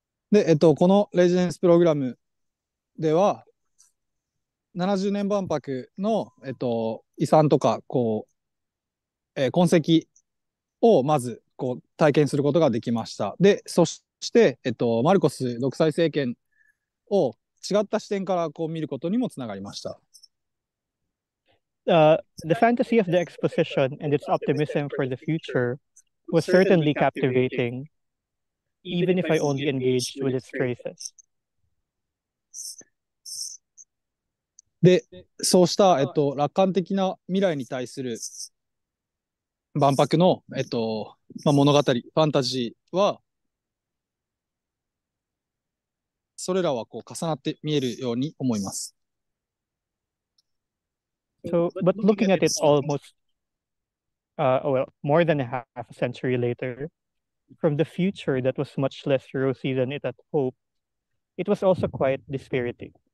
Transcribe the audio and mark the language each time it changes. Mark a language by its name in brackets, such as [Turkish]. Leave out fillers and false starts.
[Japanese] で、このレジデンスプログラムでは70年万博の、遺産とかこう、痕跡をまずこう体験することができました。で、そして、マルコス独裁政権を違った視点からこう見ることにもつながりました。 [English] The fantasy of the exposition and its optimism for the future was certainly captivating. Even if I only engaged with its traces. [Japanese] で、そうした、楽観的な未来に対する万博の、まあ、物語、ファンタジーは、それらはこう重なって見えるように思います。 [English] So, but looking at it almost, well, more than a half a century later,from the future that was much less rosy than it had hoped, it was also quite dispiriting.